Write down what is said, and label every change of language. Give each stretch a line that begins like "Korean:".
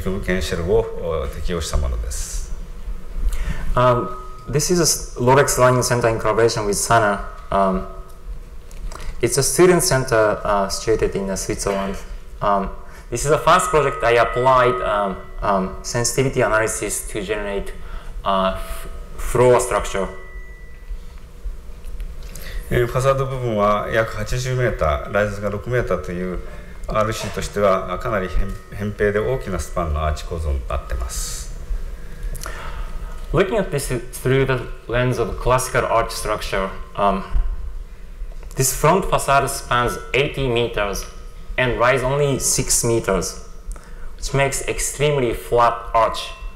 Japanese: ローザンに立つセンター、学生センターで初めて床に自由空間シェルを適用したものです。
English: This is a Rolex Learning Center in collaboration with SANAA. It's a student center situated in Switzerland. This is the first project I applied sensitivity analysis to generate floor structure.
Japanese: ファサード部分は約80メーター、ライズが6メーターという RC としてはかなり扁平で大きなスパンのアーチ構造になってます。
English: Looking at this through the lens of classical arch structure, this front facade spans 80 meters and rise only 6 meters, which makes extremely flat arch.